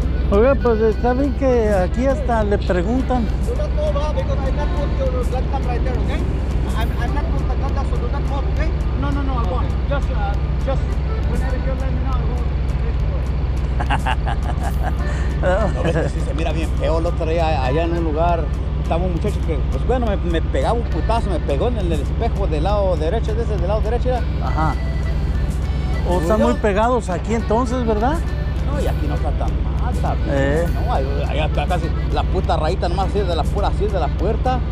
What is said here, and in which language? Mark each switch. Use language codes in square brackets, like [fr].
[es] Oiga, pues está bien que aquí hasta le preguntan. [en] Do not move, because I can't put your black tab right there, okay? I'm not going to cut that, so do not move, okay? No, okay. I won't. Just, whenever you let me know, I won't. [es] Se mira bien feo el otro día allá en un lugar. Estaba un muchacho que, pues bueno, me pegaba un putazo, me pegó en el espejo del lado derecho, desde el lado derecho. Ya. Ajá. O están muy pegados aquí entonces, ¿verdad? No, y aquí no está tan mal, No, allá está casi la puta rayita nomás así de la pura así de la puerta.